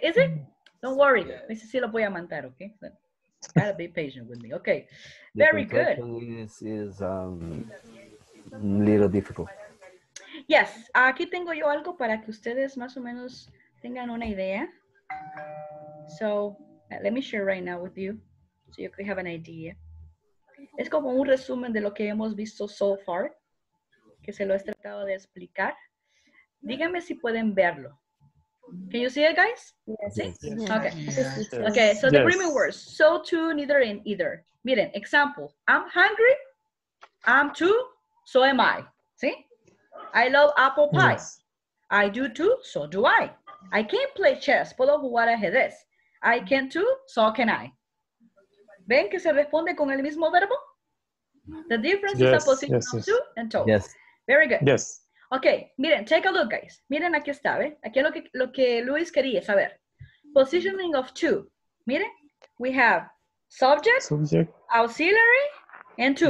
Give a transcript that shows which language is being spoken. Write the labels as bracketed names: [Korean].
[English] Is it? Don't worry. Yes. [Spanish] Sí lo voy a mandar, [English] okay? Gotta be patient with me. Okay. Very good. This is a little difficult. Yes. [Spanish] Aquí tengo yo algo para que ustedes más o menos tengan una idea. [English] So, let me share right now with you so you can have an idea. [Spanish] Es como un resumen de lo que hemos visto [English] so far, [Spanish] que se lo he tratado de explicar. Díganme si pueden verlo. [English] Can you see it, guys? Yes. [Spanish] ¿Sí? [English] Yes. Okay. Yes. Okay, so the primary words. So too, neither and either. Miren, example. I'm hungry. I'm too. So am I. ¿Sí? I love apple pie. Yes. I do too. So do I. I can't play chess. [Spanish] Puedo jugar ajedrez. [English] I can too. So can I. [Spanish] ¿Ven que se responde con el mismo verbo? [English] The difference is a position of too and to. Yes. Very good. Yes. [Spanish] Okay, miren, [English] take a look, guys. [Spanish] Miren, aquí está, ¿ve? Aquí es lo que Luis quería saber. [English] Positioning of to. Miren, we have subject, auxiliary, and to.